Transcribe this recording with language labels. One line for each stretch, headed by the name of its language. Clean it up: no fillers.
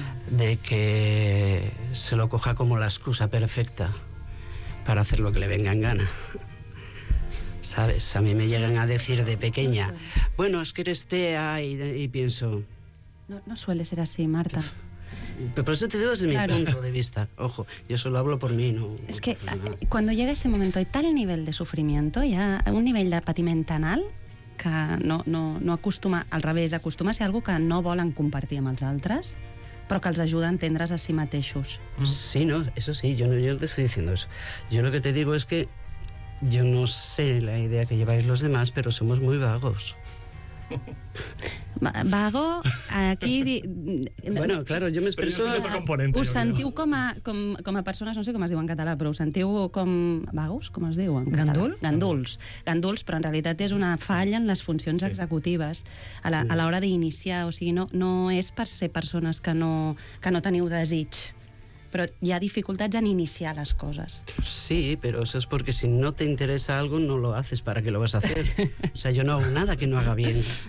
Spanish: de que se lo coja como la excusa perfecta para hacer lo que le venga en gana. ¿Sabes? A mí me llegan a decir de pequeña, bueno, es que eres TEA, y pienso... No, no suele ser así, Marta. Por eso te digo desde mi punto de vista. Ojo, yo solo hablo por mí, no... Es que cuando llega ese momento hay tal nivel de sufrimiento,
Catalan: ya un nivell de patiment tan alt que no acostuma, al revés, acostuma a ser algo que no volen compartir amb els altres, però que els ajuda a entendre's a si mateixos.
Spanish: Sí, no, eso sí, yo te estoy diciendo eso. Yo lo que te digo es que yo no sé la idea que lleváis los demás, pero somos muy vagos. Vago, aquí... Bueno, claro, yo me expreso...
Catalan: Us sentiu com a persones, no sé com es diu en català, però us sentiu com... Vagos, com es diu en català? Ganduls? Ganduls. Ganduls, però en realitat és una falla en les funcions executives. A l'hora d'iniciar, o sigui, no és per ser persones que no teniu desig, però hi ha dificultats en iniciar les coses. Sí, però això és perquè si no t'interessa algo,
Spanish: no lo haces, ¿para qué lo vas a hacer? O sea, yo no hago nada que no haga bien.